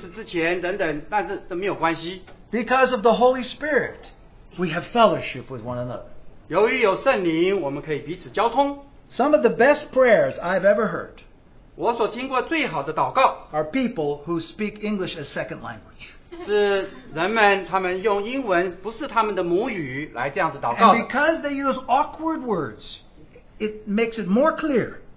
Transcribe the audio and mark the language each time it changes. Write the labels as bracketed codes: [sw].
[zh] 也许这个英文的动词放在名词之前等等，但是这没有关系。 [en] Because of the Holy Spirit, we have fellowship with one another. [zh] 由于有圣灵，我们可以彼此交通。 [en] Some of the best prayers I've ever heard. [zh] 我所听过最好的祷告。 [en] Are people who speak English as second language. [zh] 是人们他们用英文不是他们的母语来这样子祷告。 [en] And because they use awkward words, it makes it more clear.